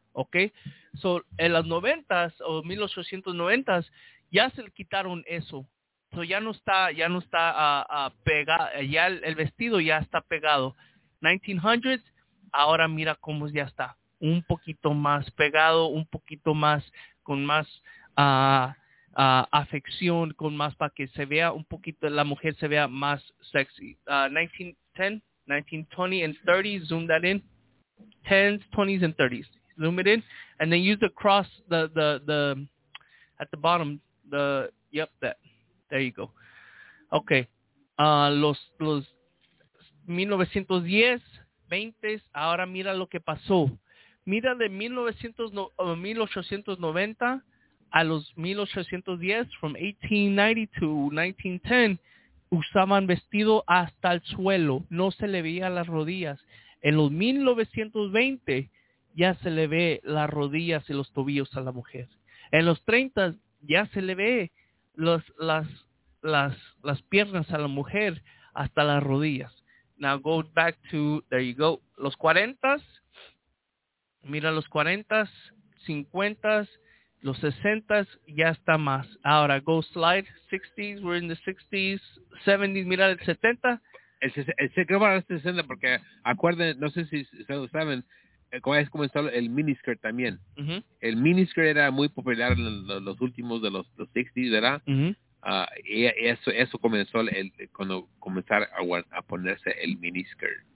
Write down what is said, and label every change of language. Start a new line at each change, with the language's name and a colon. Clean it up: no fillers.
Spanish: Okay, so en las 90s o 1890s ya se le quitaron eso, so ya no está pegado, ya el vestido ya está pegado. 1900s, ahora mira cómo ya está, un poquito más pegado, un poquito más con más afección, con más para que se vea un poquito, la mujer se vea más sexy.
English: 1920s and 1930s, zoom that in, 10s, 20s and 30s. Zoom it in, and then use the cross, the at the bottom, there you go.
Spanish: Okay, los 1910, 20s, ahora mira lo que pasó. Mira de 1890 a los 1810,
English: from 1890 to 1910,
Spanish: usaban vestido hasta el suelo, no se le veían las rodillas. En los 1920, ya se le ve las rodillas y los tobillos a la mujer. En los 30 ya se le ve las piernas a la mujer hasta las rodillas.
English: Now go back to, there you go,
Spanish: los 40, mira los 40, 50, los 60 ya está más. Ahora
English: go slide, 60s, we're in the 60s, 70s,
Spanish: mira el 70. Se quedó para los 60 porque acuerden, no sé si ustedes saben, comenzó el miniskirt también. Uh-huh. El miniskirt era muy popular en los últimos de los 60s, ¿verdad? Uh-huh. Eso comenzó cuando comenzaron a ponerse el miniskirt.